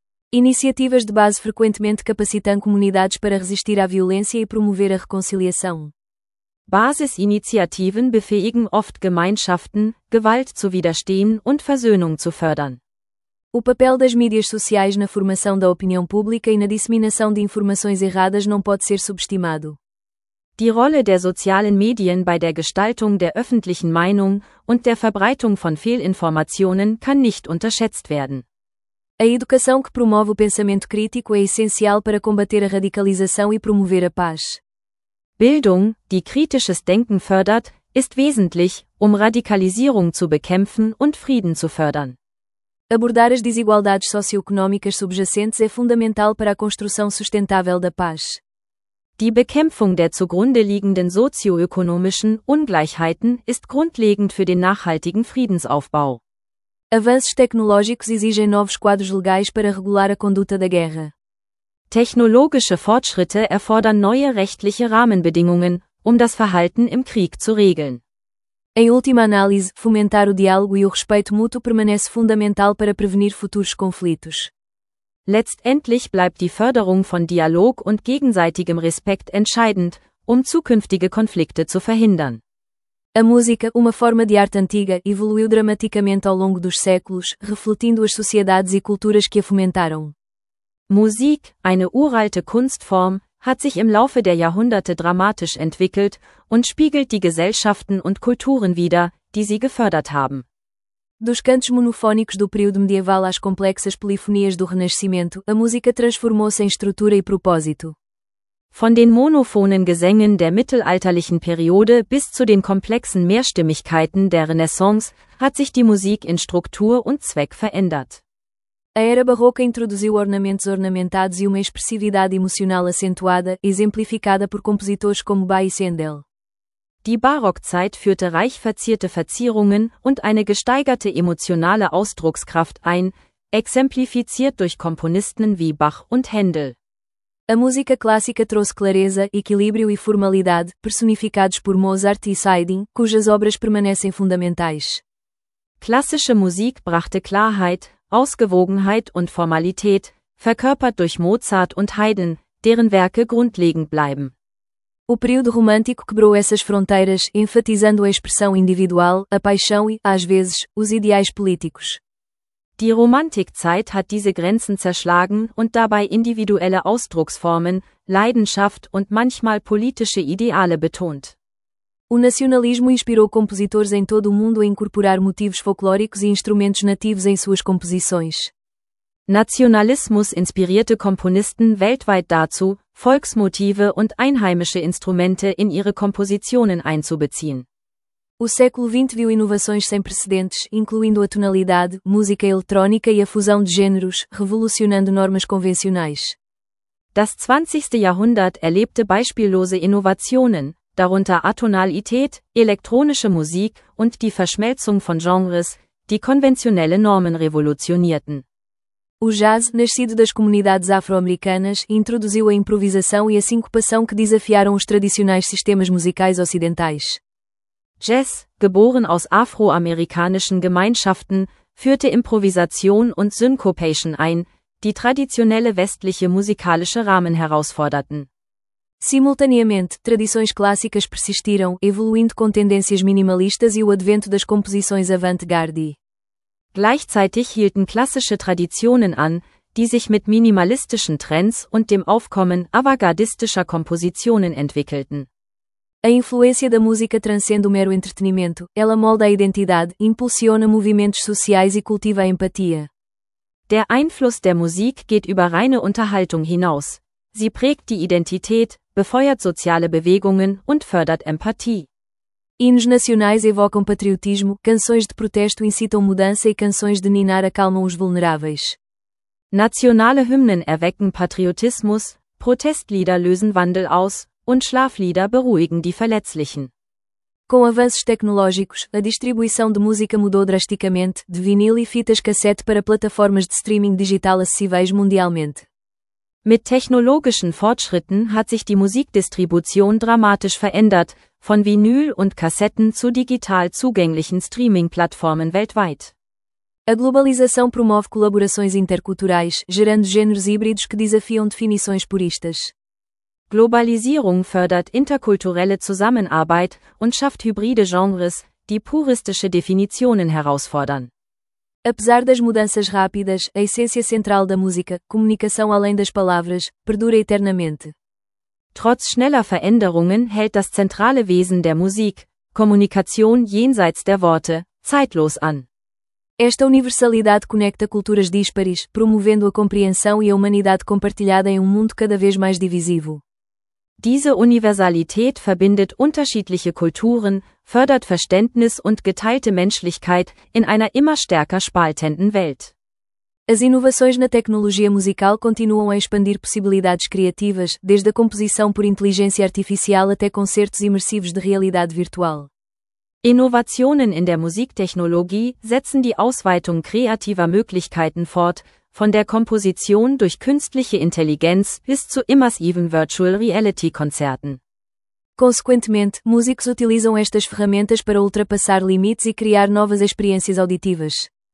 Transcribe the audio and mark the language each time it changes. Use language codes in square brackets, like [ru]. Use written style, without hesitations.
[pt] Iniciativas de base frequentemente capacitam comunidades para resistir à violência e promover a reconciliação. [de] Basisinitiativen befähigen oft Gemeinschaften, Gewalt zu widerstehen und Versöhnung zu fördern. [pt] O papel das mídias sociais na formação da opinião pública e na disseminação de informações erradas não pode ser subestimado. [de] Die Rolle der sozialen Medien bei der Gestaltung der öffentlichen Meinung und der Verbreitung von Fehlinformationen kann nicht unterschätzt werden. [pt] A educação que promove o pensamento crítico é essencial para combater a radicalização e promover a paz. [de] Bildung, die kritisches Denken fördert, ist wesentlich, Radikalisierung zu bekämpfen und Frieden zu fördern. [pt] Abordar as desigualdades socioeconômicas subjacentes é fundamental para a construção sustentável da paz. [de] Die Bekämpfung der zugrunde liegenden sozioökonomischen Ungleichheiten ist grundlegend für den nachhaltigen Friedensaufbau. [pt] Avanços tecnológicos exigem novos quadros legais para regular a conduta da guerra. [de] Technologische Fortschritte erfordern neue rechtliche Rahmenbedingungen, das Verhalten im Krieg zu regeln. [pt] Em última análise, fomentar o diálogo e o respeito mútuo permanece fundamental para prevenir futuros conflitos. [de] Letztendlich bleibt die Förderung von Dialog und gegenseitigem Respekt entscheidend, um zukünftige Konflikte zu verhindern. [pt] A música, uma forma de arte antiga, evoluiu dramaticamente ao longo dos séculos, refletindo as sociedades e culturas que a fomentaram. [de] Musik, eine uralte Kunstform, hat sich im Laufe der Jahrhunderte dramatisch entwickelt und spiegelt die Gesellschaften und Kulturen wider, die sie gefördert haben. [pt] Dos cantos monofónicos do período medieval às complexas polifonias do Renascimento, a música transformou-se em estrutura e propósito. [de] Von den monophonen Gesängen der mittelalterlichen Periode bis zu den komplexen Mehrstimmigkeiten der Renaissance hat sich die Musik in Struktur und Zweck verändert. [pt] A era barroca introduziu ornamentos ornamentados e uma expressividade emocional acentuada, exemplificada por compositores como Bach e Händel. [de] Die Barockzeit führte reich verzierte Verzierungen und eine gesteigerte emotionale Ausdruckskraft ein, exemplifiziert durch Komponisten wie Bach und Händel. [pt] A música clássica trouxe clareza, equilíbrio e formalidade, personificados por Mozart e Haydn, cujas obras permanecem fundamentais. [de] Klassische Musik brachte Klarheit, Ausgewogenheit und Formalität, verkörpert durch Mozart und Haydn, deren Werke grundlegend bleiben. [pt] O período romântico quebrou essas fronteiras, enfatizando a expressão individual, a paixão e, às vezes, os ideais políticos. [de] Die Romantikzeit hat diese Grenzen zerschlagen und dabei individuelle Ausdrucksformen, Leidenschaft und manchmal politische Ideale betont. [pt] O nacionalismo inspirou compositores em todo o mundo a incorporar motivos folclóricos e instrumentos nativos em suas composições. [de] Nationalismus inspirierte Komponisten weltweit dazu, Volksmotive und einheimische Instrumente in ihre Kompositionen einzubeziehen. [pt] O século XX viu inovações sem precedentes, incluindo a tonalidade, música eletrônica e a fusão de gêneros, revolucionando normas convencionais. [de] Das 20. Jahrhundert erlebte beispiellose Innovationen, darunter Atonalität, elektronische Musik und die Verschmelzung von Genres, die konventionelle Normen revolutionierten. [pt] O jazz, nascido das comunidades afro-americanas, introduziu a improvisação e a sincopação que desafiaram os tradicionais sistemas musicais ocidentais. [de] Jazz, geboren aus afroamerikanischen Gemeinschaften, führte Improvisation und Syncopation ein, die traditionelle westliche musikalische Rahmen herausforderten. [pt] Simultaneamente, tradições clássicas persistiram, evoluindo com tendências minimalistas e o advento das composições avant-garde. [de] Gleichzeitig hielten klassische Traditionen an, die sich mit minimalistischen Trends und dem Aufkommen avantgardistischer Kompositionen entwickelten. [pt] A influência da música transcende o mero entretenimento, ela molda a identidade, impulsiona movimentos sociais e cultiva a empatia. [de] Der Einfluss der Musik geht über reine Unterhaltung hinaus. Sie prägt die Identität, befeuert soziale Bewegungen und fördert Empathie. [pt] Hinos nacionais evocam patriotismo, canções de protesto incitam mudança e canções de ninar acalmam os vulneráveis. [de] Nationale Hymnen erwecken Patriotismus, Protestlieder lösen Wandel aus. Und Schlaflieder beruhigen die Verletzlichen. [pt] Com avanços tecnológicos, a distribuição de música mudou drasticamente, de vinil e fitas cassete para plataformas de streaming digital acessíveis mundialmente. [de] Mit technologischen Fortschritten hat sich die Musikdistribution dramatisch verändert, von Vinyl und Kassetten zu digital zugänglichen Streaming-Plattformen weltweit. [pt] A globalização promove colaborações interculturais, gerando gêneros híbridos que desafiam definições puristas. [de] Globalisierung fördert interkulturelle Zusammenarbeit und schafft hybride Genres, die puristische Definitionen herausfordern. [pt] Apesar das mudanças rápidas, a essência central da música, comunicação além das palavras, perdura eternamente. [de] Trotz schneller Veränderungen hält das zentrale Wesen der Musik, Kommunikation jenseits der Worte, zeitlos an. [pt] Esta universalidade conecta culturas díspares, promovendo a compreensão e a humanidade compartilhada em mundo cada vez mais divisivo. [de] Diese Universalität verbindet unterschiedliche Kulturen, fördert Verständnis und geteilte Menschlichkeit in einer immer stärker spaltenden Welt. [pt] As inovações na tecnologia musical continuam a expandir possibilidades criativas, desde a composição por inteligência artificial até concertos imersivos de realidade virtual. [de] Innovationen in der Musiktechnologie setzen die Ausweitung kreativer Möglichkeiten fort, von der Komposition durch künstliche Intelligenz bis zu immersiven Virtual Reality Konzerten. [pt] Consequentemente, músicos utilizam estas ferramentas para ultrapassar limites e criar novas experiências auditivas.